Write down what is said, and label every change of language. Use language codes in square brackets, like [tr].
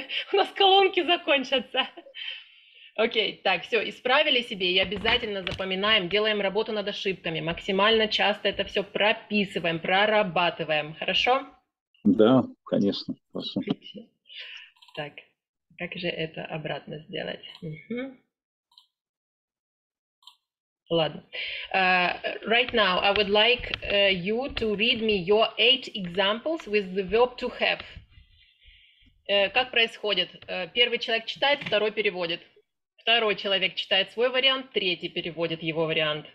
[ru] У нас колонки закончатся. Окей, так, все, исправили себе и обязательно запоминаем, делаем работу над ошибками. Максимально часто это все прописываем, прорабатываем, хорошо? Да, конечно. Хорошо. Так, как же это обратно сделать? Угу. Ладно. [en] Right now, I would like you to read me your 8 examples with the verb to have. [ru] Как происходит? Первый человек читает, второй переводит. Второй человек читает свой вариант, третий переводит его вариант.